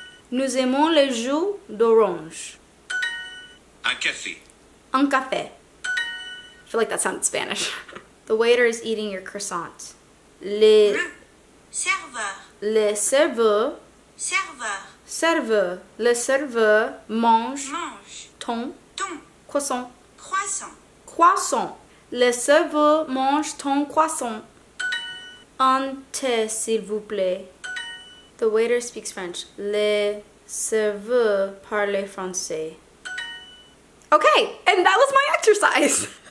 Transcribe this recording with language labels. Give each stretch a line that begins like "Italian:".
French: Nous aimons le jus d'orange. Un café. Un café.
English: I feel like that sounded Spanish. The waiter is eating your croissant.
French: Le serveur. Le serveur. Serveur. Serveur. Le serveur mange. Mange. ton. Ton. Croissant. Croissant. Croissant. Le serveur mange ton croissant. Un thé, s'il vous plaît.
English: The waiter speaks French.
French: Le serveur parle français.
English: Okay, and that was my exercise.